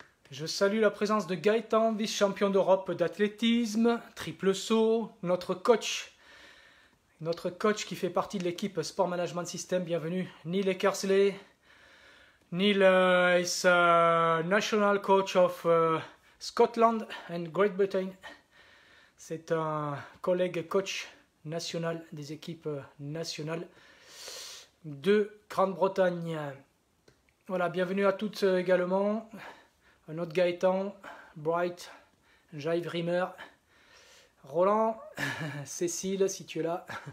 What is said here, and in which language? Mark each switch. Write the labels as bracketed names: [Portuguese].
[French] Je salue la présence de Gaëtan, vice-champion d'Europe d'athlétisme, triple saut, notre coach. Notre coach qui fait partie de l'équipe Sport Management System, bienvenue Neil Eckersley. [English] Neil is a national coach of Scotland and Great Britain. [French] C'est un collègue coach national des équipes nationales de Grande-Bretagne. Voilà, bienvenue à toutes également. Un autre Gaëtan, Bright, Jive Rimmer, Roland, Cécile, si tu es là.